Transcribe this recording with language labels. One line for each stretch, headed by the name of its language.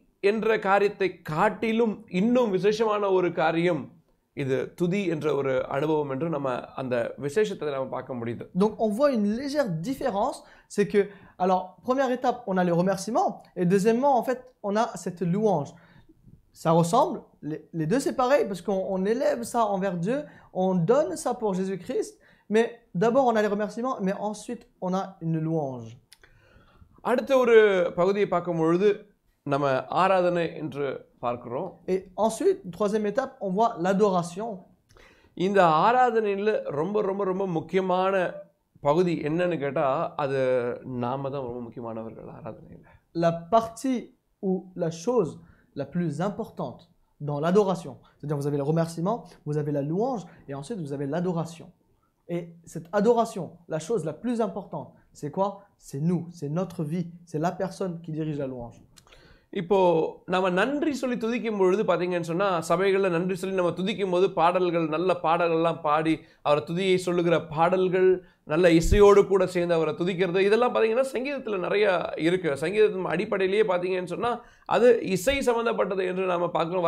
Tamil: என்ற காரியத்தை காட்டிலும் இன்னும் விசேஷமான ஒரு காரியம் இது துதி என்ற ஒரு அனுபவம் என்று நம்ம அந்த விசேஷத்தை நாம பார்க்க முடியுது.
French: Donc on voit une légère différence, c'est que alors première étape on a le remerciement et deuxièmement en fait on a cette louange. Ça ressemble, les deux c'est pareil parce qu'on élève ça envers Dieu, on donne ça pour Jésus-Christ, mais d'abord on a les remerciements mais ensuite on a une louange.
Tamil: அடுத்த ஒரு பகுதியை பார்க்கும் பொழுது நம்ம ஆராதனை என்று பார்க்கிறோம்.
French: Et ensuite, troisième étape, on voit l'adoration.
Tamil: இந்த ஆராதனையில் ரொம்ப ரொம்ப ரொம்ப முக்கியமான பகுதி என்னன்னு கேட்டால், அது நாம தான் ரொம்ப முக்கியமானவர்கள் ஆராதனையில்.
French: La partie ou la chose la plus importante dans l'adoration, c'est-à-dire vous avez le remerciement, vous avez la louange, et ensuite vous avez l'adoration. Et cette adoration, la chose la plus importante, c'est quoi? C'est nous, c'est notre vie, c'est la personne qui dirige la louange.
Tamil: இப்போ நம்ம நன்றி சொல்லி துதிக்கும் பொழுது பார்த்தீங்கன்னு சொன்னால், சபைகளில் நன்றி சொல்லி நம்ம துதிக்கும் போது பாடல்கள், நல்ல பாடல்கள்லாம் பாடி அவரை துதியை சொல்லுகிற பாடல்கள், நல்ல இசையோடு கூட சேர்ந்து அவரை துதிக்கிறது, இதெல்லாம் பார்த்தீங்கன்னா சங்கீதத்தில் நிறையா இருக்குது. சங்கீதத்தின் அடிப்படையிலேயே பார்த்தீங்கன்னு சொன்னால் அது இசை சம்மந்தப்பட்டது என்று நம்ம பார்க்கணும்.